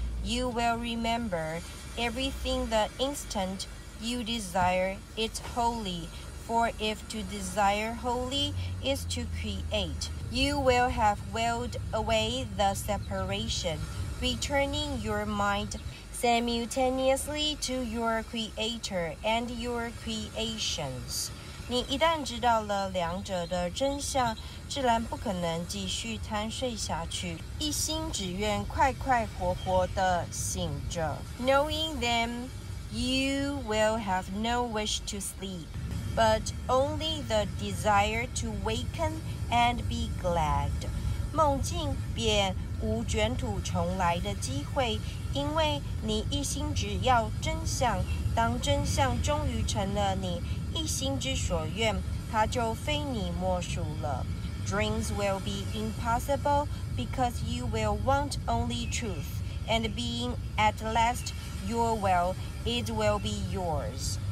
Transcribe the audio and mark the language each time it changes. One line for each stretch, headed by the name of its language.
English: You will remember everything the instant you desire it wholly, for if to desire wholly is to create, you will have willed away the separation, returning your mind. Simultaneously to your creator and your creations.
Chinese: 你一旦知道了两者的真相，自然不可能继续贪睡下去，一心只愿快快活活地醒着。
English: Knowing them, you will have no wish to sleep, but only the desire to waken and be glad.
Chinese: 梦境便无卷土重来的机会，因为你一心只要真相，当真相终于成了你一心之所愿，它就非你莫属了。
English: Dreams will be impossible because you will want only truth, and being at last your will, it will be yours.